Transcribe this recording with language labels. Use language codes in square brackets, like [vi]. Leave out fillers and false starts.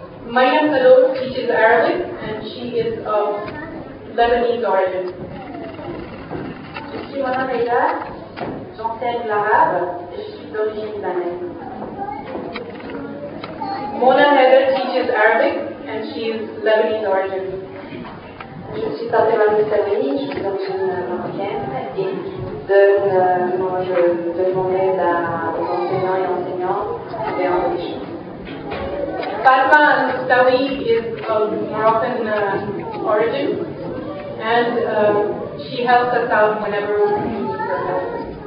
[en] Maria Cano teaches Arabic and she is of Lebanese origin. [fr] Je suis Mona Reda, j'enseigne l'arabe et je suis d'origine libanaise. [en] Mona Heather teaches Arabic and she is Lebanese origin. [fr] Je suis Tatiana Mousselini, je suis d'origine marocaine et je donne mon aide aux enseignants et enseignantes et en religion. [en] Fatma Mousselini is of Moroccan origin and she helps us out whenever we need her help.